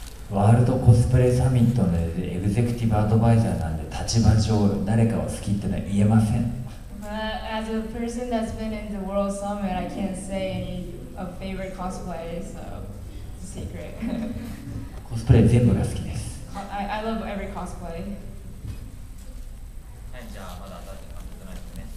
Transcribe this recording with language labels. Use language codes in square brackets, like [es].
[ja] ワールドコスプレサミットのエグゼクティブアドバイザーなんで立場上誰かを好きってのは言えません。 [en] As a person that's been in the World Summit, I can't say any of favorite cosplay, so secret. [ja] コスプレ全部が好きです。 [en] I love every cosplay. [ja] じゃあまだ当たってなくてないですね。